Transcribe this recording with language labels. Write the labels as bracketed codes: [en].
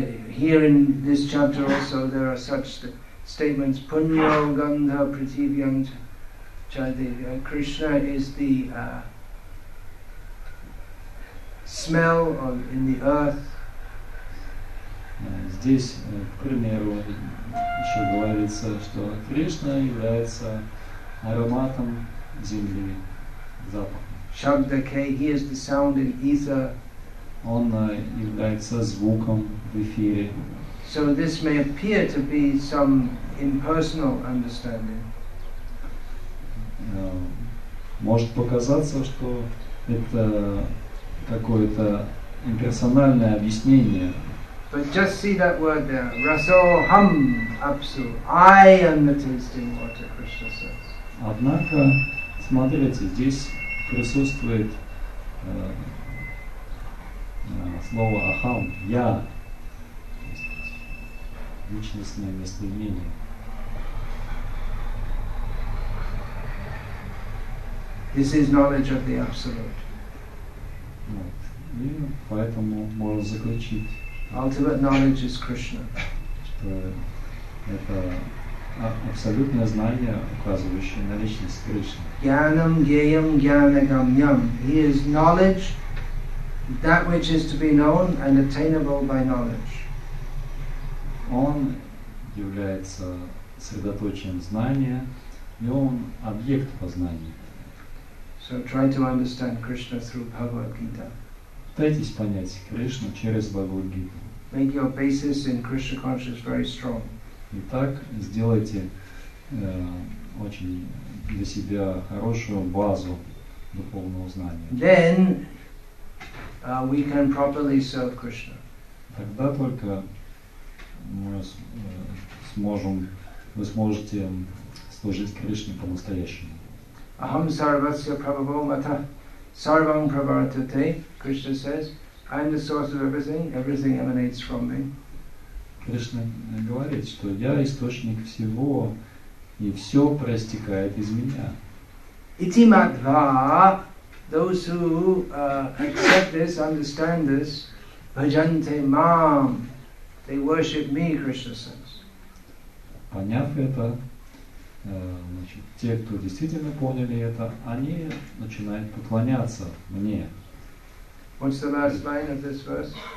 [en] Here in this chapter also there are such statements: [sa] Punya, Gandha, Prithivyam. [en] Krishna is the smell of, in the earth. [ru] Здесь, к примеру, еще говорится, что Кришна является ароматом земли, запахом. [en] Shabdake, he is the sound in ether. [ru] Он является звуком в эфире. [en] So this may appear to be some impersonal understanding. [ru] Может показаться, что это какое-то имперсональное объяснение. [en] But just see that word there. [sa] Rasoham apsu. [en] I am the tasting water, Krishna says. [ru] Однако, смотрите, здесь присутствует слово ахам. Я. Личностное местоимение. [en] This is knowledge of the absolute. [ru] Вот. И поэтому можно заключить. [en] Ultimate knowledge is Krishna. [ru] Что это абсолютное знание, указывающее на личность Кришны. [sa] Gyanam gyayam gyanagamyam. [en] He is knowledge, that which is to be known and attainable by knowledge. [ru] Он является средоточием знания, и он объект познания. [en] So try to understand Krishna through Bhagavad Gita. [ru] Пытайтесь понять Кришну через Бхагавад Гиту. [en] Make your basis in Krishna consciousness very strong. [ru] Итак, сделайте очень для себя хорошую базу духовного знания. [en] Then we can properly serve Krishna. [ru] тогда только мы сможем, вы сможете служить Кришне по-настоящему. [sa] Aham sarvasya prabhavamata sarvam prabhartate, [en] Krishna says, I am the source of everything, everything emanates from me. [ru] Кришна говорит, что я источник всего, и все проистекает из меня. [sa] Iti madhva, [en] those who accept this, understand this, [sa] bhajante mam, [en] they worship me, Krishna says. [ru] Поняв это, значит, те, кто действительно поняли это, они начинают поклоняться мне. [en] What's the last line of this verse?